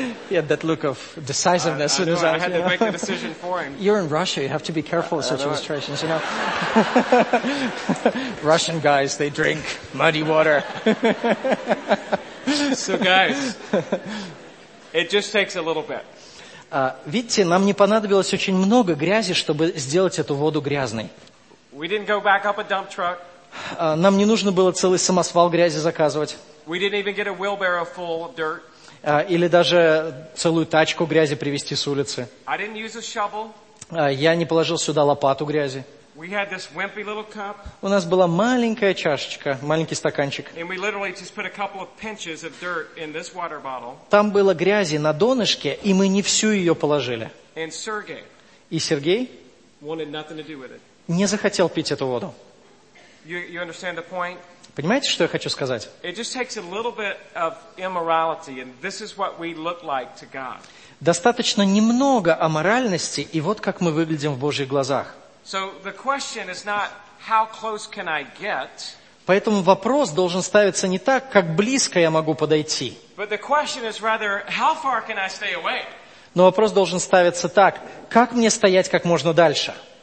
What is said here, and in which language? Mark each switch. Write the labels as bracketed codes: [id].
[en] He had that look of decisiveness in his eyes. I had to make the decision for him. You're in Russia, you have to be careful with such illustrations, you know. Russian guys, they drink muddy water. So guys, it just takes a little bit. [ru] Видите, нам не понадобилось очень много грязи, чтобы сделать эту воду грязной. [en] We didn't go back up a dump truck. [ru] Нам не нужно было целый самосвал грязи заказывать. [en] We didn't even get a wheelbarrow full of dirt. [ru] Или даже целую тачку грязи привезти с улицы. [en] I didn't use a shovel. [ru] Я не положил сюда лопату грязи. [en] We had this wimpy little cup. [ru] У нас была маленькая чашечка, маленький стаканчик. [en] And we literally just put a couple of pinches of dirt in this water bottle. [ru] Там было грязи на донышке, и мы не всю ее положили. [en] And Sergey. [ru] И Сергей? [en] Wanted nothing to do with it. [ru] Не захотел пить эту воду. [en] You understand the point? [ru] Понимаете, что я хочу сказать? [en] It just takes a little bit of immorality, and this is what we look like to God. [ru] Достаточно немного аморальности, и вот как мы выглядим в Божьих глазах. [en] So the question is not how close can I get. [ru] Поэтому вопрос должен ставиться не так, как близко я могу подойти. [en] But the question is rather how far can I stay away. [ru] Но вопрос должен ставиться так: как мне стоять как можно дальше?